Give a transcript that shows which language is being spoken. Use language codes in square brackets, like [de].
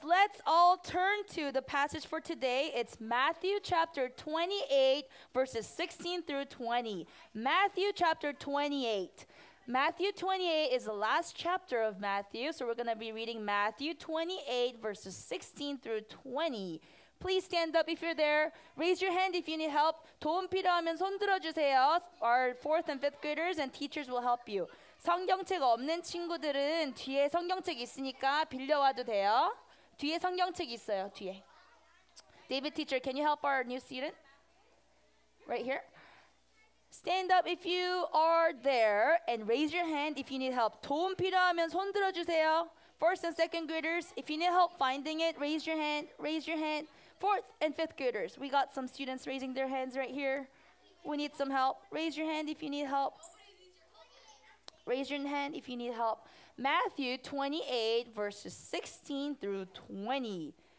[en] Let's all turn to the passage for today. It's Matthew chapter 28, verses 16 through 20. Matthew chapter 28. Matthew 28 is the last chapter of Matthew, so we're going to be reading Matthew 28, verses 16 through 20. Please stand up if you're there. Raise your hand if you need help. [ko] 도움 필요하면 손 들어주세요. [en] Our fourth and fifth graders and teachers will help you. [ko] 성경책 없는 친구들은 뒤에 성경책 있으니까 빌려와도 돼요. 뒤에 성경책 있어요, 뒤에. [en] David teacher, can you help our new student? Right here. Stand up if you are there and raise your hand if you need help. [ko] 도움 필요하면 손 들어주세요. [en] First and second graders, if you need help finding it, raise your hand, raise your hand. Fourth and fifth graders, we got some students raising their hands right here. We need some help. Raise your hand if you need help. Raise your hand if you need help. Matthew 28, verses 16 through 20.